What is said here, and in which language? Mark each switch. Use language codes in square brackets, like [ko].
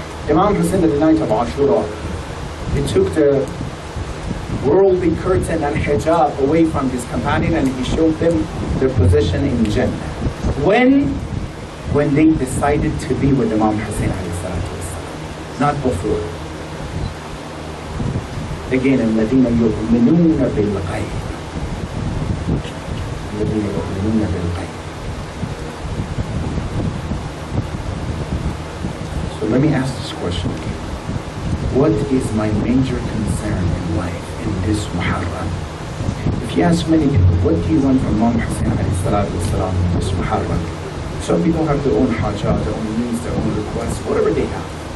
[en] Imam Hussein at the night of Ashura, he took the worldly curtain and hijab away from his companion and he showed them their position in Jannah. When they decided to be with Imam Hussein alayhi salatu wasalam, not before. Again, [ar] الَّذِينَ يُؤْمِنُونَ بِالْغَيْبِ الَّذِينَ يُؤْمِنُونَ بِالْغَيْبِ. [en] So let me ask this question again. What is my major concern in life in this Muharram? If you ask many people, what do you want from Imam Hussein alayhi salatu wasalam in this Muharram? Some people have their own haja, their own needs, their own requests, whatever they have.